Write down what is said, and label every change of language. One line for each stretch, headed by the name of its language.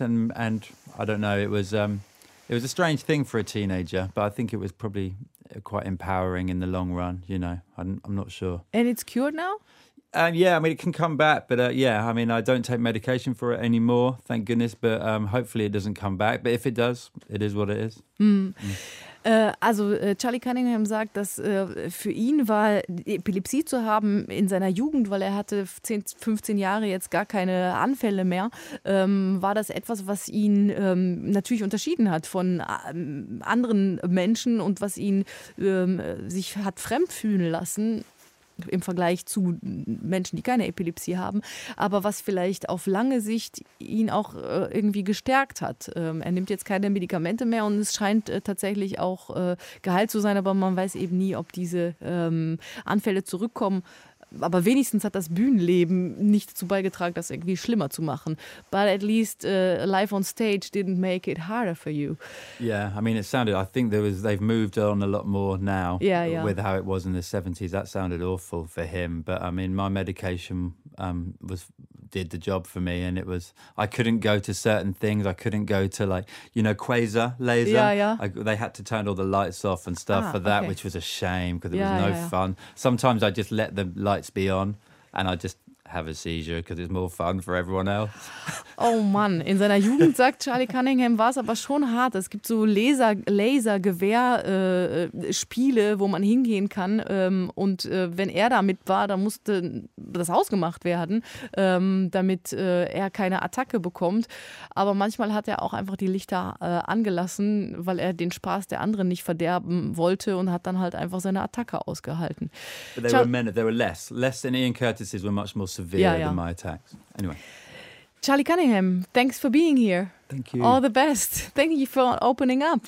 English: And I don't know, it was a strange thing for a teenager, but I think it was probably quite empowering in the long run, you know. I'm not sure. And it's cured now? I mean, it can come back, but I don't take medication for it anymore, thank goodness, but hopefully it doesn't come back. But if it does, it is what it is. Mm.
German: Also Charlie Cunningham sagt, dass für ihn war, Epilepsie zu haben in seiner Jugend, weil er hatte 10, 15 Jahre jetzt gar keine Anfälle mehr, war das etwas, was ihn natürlich unterschieden hat von anderen Menschen und was ihn sich hat fremd fühlen lassen im Vergleich zu Menschen, die keine Epilepsie haben, aber was vielleicht auf lange Sicht ihn auch irgendwie gestärkt hat. Er nimmt jetzt keine Medikamente mehr und es scheint tatsächlich auch geheilt zu sein, aber man weiß eben nie, ob diese Anfälle zurückkommen. Aber wenigstens hat das Bühnenleben nicht dazu beigetragen, das irgendwie schlimmer zu machen.
English: But at least life on stage didn't make it harder for you. Yeah, I mean, it sounded, I think there was, they've moved on a lot more now with how it was in the 70s. That sounded awful for him. But I mean, my medication did the job for me, and it was, I couldn't go to certain things. I couldn't go to, like, you know, Quasar laser. They had to turn all the lights off and stuff which was a shame because it was no fun. Sometimes I just let the lights be on and I just have a seizure because it's more fun for everyone else.
German: Oh Mann, in seiner Jugend, sagt Charlie Cunningham, war es aber schon hart. Es gibt so Laser-Gewehr-Spiele, wo man hingehen kann. Und wenn er da mit war, dann musste das ausgemacht werden, damit er keine Attacke bekommt. Aber manchmal hat er auch einfach die Lichter angelassen, weil er den Spaß der anderen nicht verderben wollte und hat dann halt einfach seine Attacke ausgehalten.
English: But they were men, they were less. Less than Ian Curtis's were much more severe than my attacks. Anyway. Charlie Cunningham, thanks for being here. Thank you. All the best. Thank you for opening up.